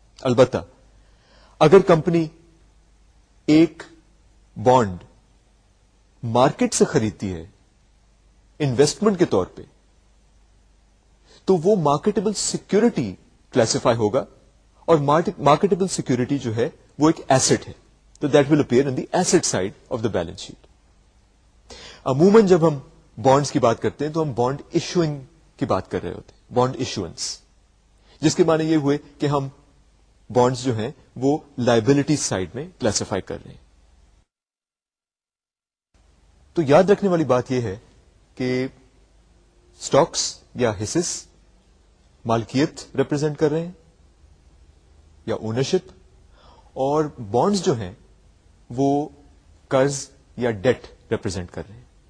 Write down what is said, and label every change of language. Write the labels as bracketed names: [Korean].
[Urdu] البتہ اگر کمپنی ایک بانڈ مارکیٹ سے خریدتی ہے انویسٹمنٹ کے طور پہ تو وہ مارکیٹبل سیکیورٹی کلاسیفائی ہوگا, اور مارکیٹبل سیکیورٹی جو ہے وہ ایک ایسٹ ہے. [English] تو that will appear in the asset side of the balance sheet. [Urdu] عموماً جب ہم بانڈز کی بات کرتے ہیں تو ہم بانڈ ایشوئنگ کی بات کر رہے ہوتے ہیں, بانڈ ایشوئنس, جس کے معنی یہ ہوئے کہ ہم بانڈز جو ہیں وہ لائبلٹی سائڈ میں کلاسیفائی کر رہے ہیں. تو یاد رکھنے والی بات یہ ہے کہ سٹاکس یا حصص مالکیت ریپرزینٹ کر رہے ہیں یا اونرشپ, اور بانڈز جو ہیں وہ قرض یا ڈیٹ ریپرزینٹ کر رہے ہیں.